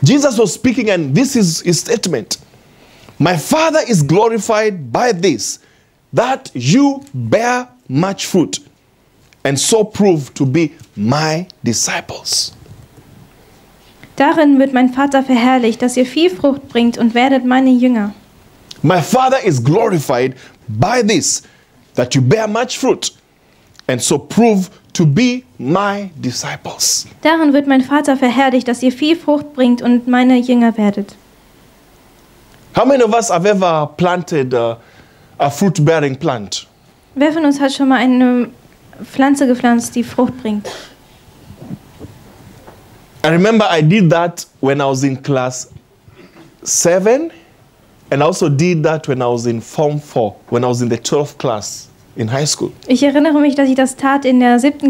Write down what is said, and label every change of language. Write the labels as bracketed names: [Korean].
[English] Jesus was speaking and this is his statement. My Father is glorified by this, that you bear much fruit, and so prove to be my disciples. [German] Darin wird mein Vater verherrlicht, dass ihr viel Frucht bringt und werdet meine Jünger. [English] My Father is glorified by this, that you bear much fruit, and so prove to be my disciples. [German] Darin wird mein Vater verherrlicht, dass ihr viel Frucht bringt und meine Jünger werdet. [English] How many of us have ever planted a fruit-bearing plant? [German] Wer von uns hat schon mal eine Pflanze gepflanzt, die Frucht bringt? [English] I remember I did that when I was in class 7 and I also did that when I was in form 4, when I was in the 12th class in high school. [German] Ich erinnere mich, dass ich das tat in der 7.